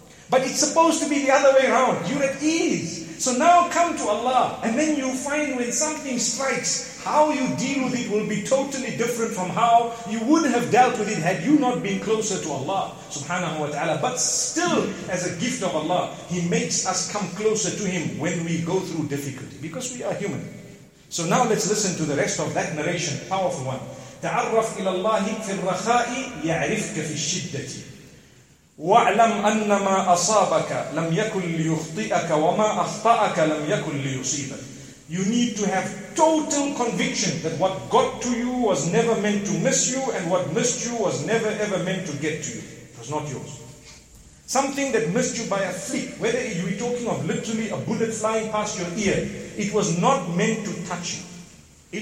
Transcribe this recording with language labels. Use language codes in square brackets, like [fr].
[en] But it's supposed to be the other way around. You're at ease. So now come to Allah, and then you find when something strikes, how you deal with it will be totally different from how you would have dealt with it had you not been closer to Allah, subhanahu wa ta'ala. But still, as a gift of Allah, He makes us come closer to Him when we go through difficulty, because we are human. So now let's listen to the rest of that narration, powerful one. [ar] تعرف إلى الله في الرخاء يعرفك في الشدة وأعلم أن ما أصابك لم يكن ليخطئك وما أخطأك لم يكن ليصيبك. [en] You need to have total conviction that what got to you was never meant to miss you, and what missed you was never ever meant to get to you. It was not yours. Something that missed you by a flick, whether you're talking of literally a bullet flying past your ear, it was not meant to touch you.